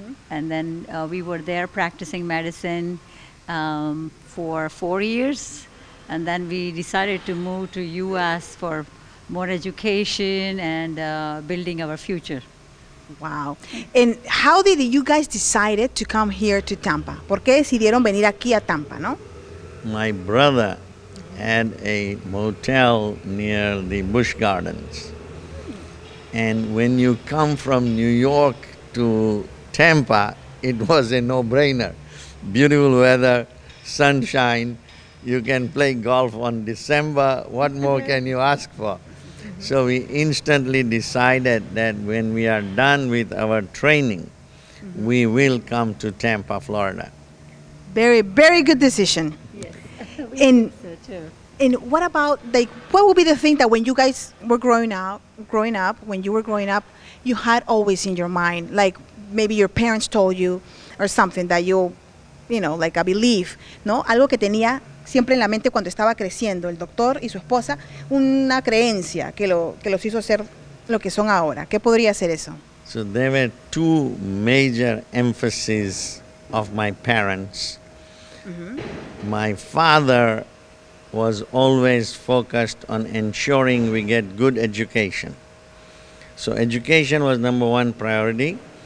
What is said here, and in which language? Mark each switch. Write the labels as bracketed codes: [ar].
[en] And then we were there practicing medicine for 4 years. And then we decided to move to U.S. for more education and building our future. Wow. And how did you guys decide to come here to Tampa? [es] ¿Por qué decidieron venir aquí a Tampa, no? [en] My brother had a motel near the Busch Gardens. And when you come from New York to Tampa, it was a no-brainer. Beautiful weather, sunshine, you can play golf on December, what more can you ask for? So we instantly decided that when we are done with our training, we will come to Tampa, Florida. Very, very good decision. And what about, like, what would be the thing that when you guys were growing up, when you were growing up, you had always in your mind, like maybe your parents told you or something that you know, like a belief, ¿no? [es] Algo que tenía siempre en la mente cuando estaba creciendo, el doctor y su esposa, una creencia que los hizo ser lo que son ahora. ¿Qué podría ser eso? [en] So there were two major emphases of my parents. My father was always focused on ensuring we get good education. So education was number one priority.